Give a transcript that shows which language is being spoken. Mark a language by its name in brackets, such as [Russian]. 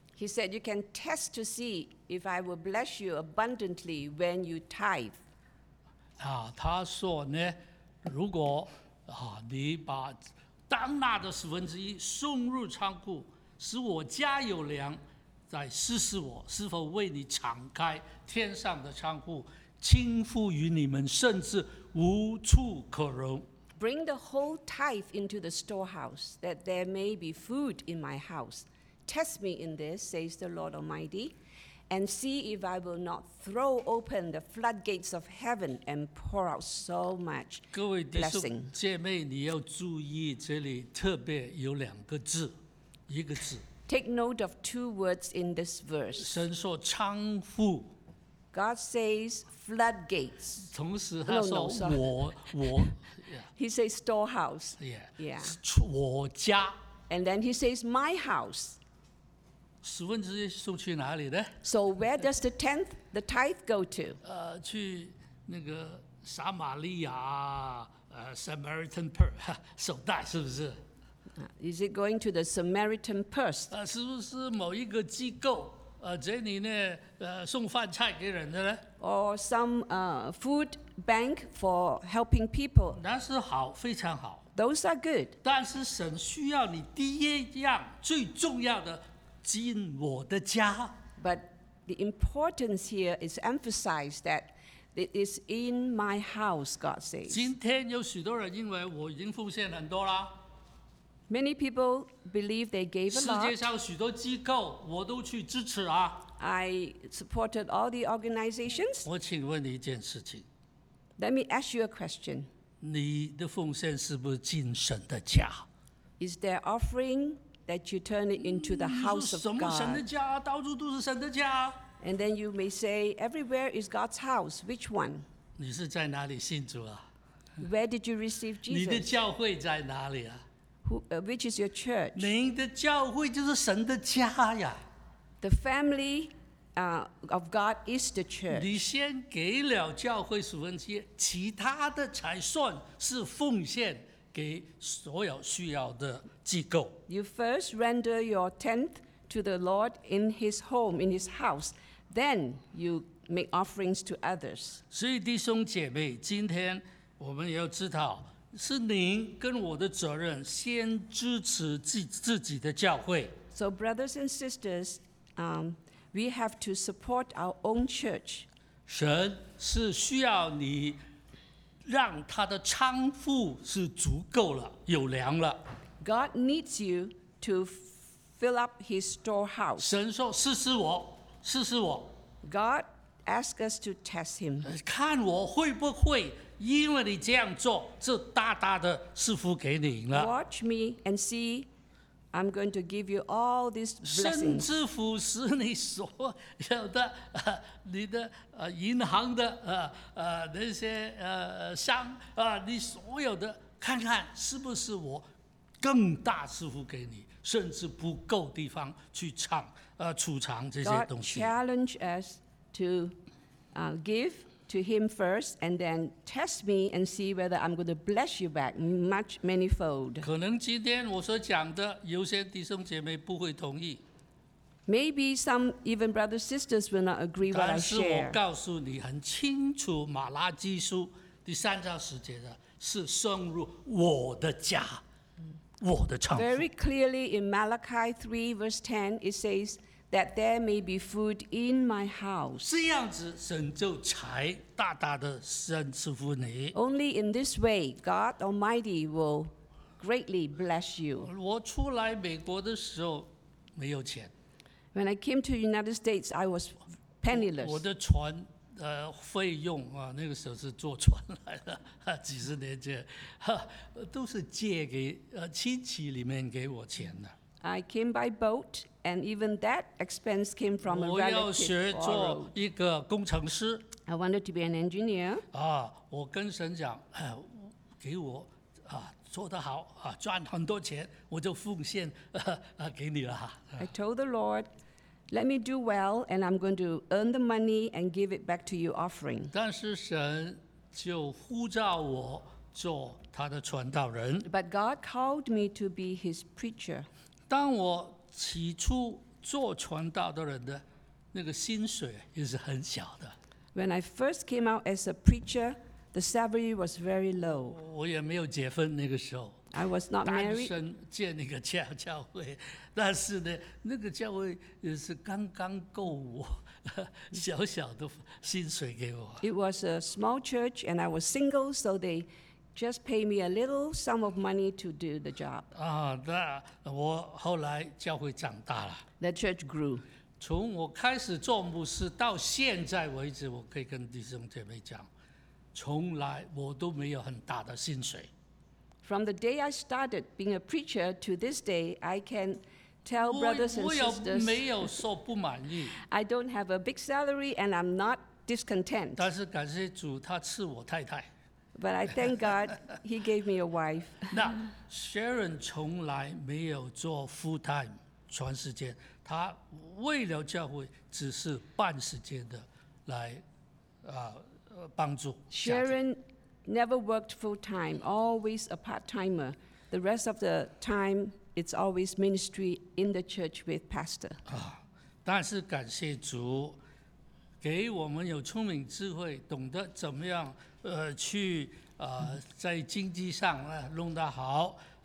[English] He said, you can test to see if I will bless you abundantly when you tithe. [Chinese] 啊，他说呢，如果啊你把当纳的十分之一送入仓库，使我家有粮，再试试我是否为你敞开天上的仓库，倾覆于你们，甚至无处可容。 [English] Bring the whole tithe into the storehouse, that there may be food in my house. Test me in this, says the Lord Almighty, and see if I will not throw open the floodgates of heaven and pour out so much blessing. [Chinese] 各位弟兄姐妹，你要注意，这里特别有两个字，一个字。 [English] Take note of two words in this verse. [Chinese] 神说仓库。 [English] God says floodgates. [Chinese] 同时他说我。 [English] He says storehouse. [Chinese] Yeah. 我家。 [English] And then he says my house. [Chinese] 十分之一送去哪里呢 [English] ？So where does the tenth, the tithe go to？ [Chinese] 去那个撒玛利亚，Samaritan purse， 手袋是不是 [English] ？Is it going to the Samaritan purse？ [Chinese] 是不是某一个机构？这里呢，送饭菜给人的呢 [English] ？Or some food bank for helping people？ [Chinese] 那是好，非常好。 [English] Those are good。 [Chinese] 但是神需要你第一样最重要的。进我的家。 [English] But the importance here is emphasized that it is in my house, God says. [Chinese] 今天有许多人因为我已经奉献很多啦。 [English] Many people believe they gave a lot. [Chinese] 世界上许多机构我都去支持啊。 [English] I supported all the organizations. [Chinese] 我请问你一件事情。 [English] Let me ask you a question. [Chinese] 你的奉献是不是进神的家？ [English] Is there offering that you turn it into the house of God? [Chinese] 什么神的家？到处都是神的家。 [English] And then you may say, everywhere is God's house. Which one? [Chinese] 你是在哪里信主啊？ [English] Where did you receive Jesus? [Chinese] 你的教会在哪里啊？ [English] Which is your church? [Chinese] 你的教会就是神的家呀。 [English] The family of God is the church. [Chinese] 你先给了教会十分之一，其他的才算是奉献给所有需要的机构。 [English] You first render your tenth to the Lord in His home, in His house. Then you make offerings to others. [Chinese] 所以弟兄姐妹，今天我们要知道，是您跟我的责任，先支持自己的教会。 [English] So brothers and sisters, we have to support our own church. [Chinese] 神是需要你让他的仓库是足够了，有粮了。 [English] God needs you to fill up His storehouse. [Chinese] 神说：“试试我，试试我。” [English] God asks us to test Him. [Chinese] 看我会不会因为你这样做，就大大的赐福给你了。 [English] Watch me and see. I'm going to give you all these blessings. [Chinese] 甚至乎是你所有的、你的、银行的、那些、商、你所有的，看看是不是我更大赐福给你，甚至不够地方去藏、储藏这些东西。 [English] God challenge us to give to Him first, and then test me and see whether I'm going to bless you back much manifold. [Chinese] 可能今天我所讲的，有些弟兄姐妹不会同意。 [English] Maybe some even brothers sisters will not agree what I share. [Chinese] 但是我告诉你很清楚，马拉基书第三章十节的是进入我的家，我的仓库。 [English] Very clearly in Malachi 3 verse 10, it says. That there may be food in my house. [Chinese] 这样子神就才大大的赐福你。 [English] Only in this way, God Almighty will greatly bless you. [Chinese] 我出来美国的时候没有钱。 [English] When I came to the United States, I was penniless. [Chinese] 我的船费用啊，那个时候是坐船来的，几十年前，都是借给亲戚里面给我钱的。 [English] I came by boat, and even that expense came from a relative. [Chinese] 我要学做一个工程师。 [English] I wanted to be an engineer. [Chinese] 啊，我跟神讲，给我啊做得好啊，赚很多钱，我就奉献给你了。 [English] I told the Lord, let me do well, and I'm going to earn the money and give it back to you offering. [Chinese] 但是神就呼召我做他的传道人。 [English] But God called me to be His preacher. [Chinese] 当我起初做传道的人的那个薪水也是很小的。 [English] When I first came out as a preacher, the salary was very low. [Chinese] 我也没有结婚那个时候。 [English] I was not married. [Chinese] 单身建一个教会，但是呢，那个教会也是刚刚够我小小的薪水给我。 [English] It was a small church, and I was single, so they. Just pay me a little sum of money to do the job. [Chinese] 啊，那我后来教会长大了。 [English] The church grew. [Chinese] 从我开始做牧师到现在为止，我可以跟弟兄姐妹讲，从来我都没有很大的薪水。 [English] From the day I started being a preacher to this day, I can tell brothers and sisters. [Chinese] 我没有说不满意。 [English] I don't have a big salary, and I'm not discontent. [Chinese] 但是感谢主，他赐我太太。 [English] But I thank God He gave me a wife. [Chinese] 那 Sharon 从来没有做 [English] full time [Chinese] 全时间，她为了教会只是半时间的来帮助。 [English] Sharon never worked full time, always a part timer. The rest of the time, it's always ministry in the church with pastor. [Chinese] 啊，但是感谢主，给我们有聪明智慧，懂得怎么样。去在经济上弄得好，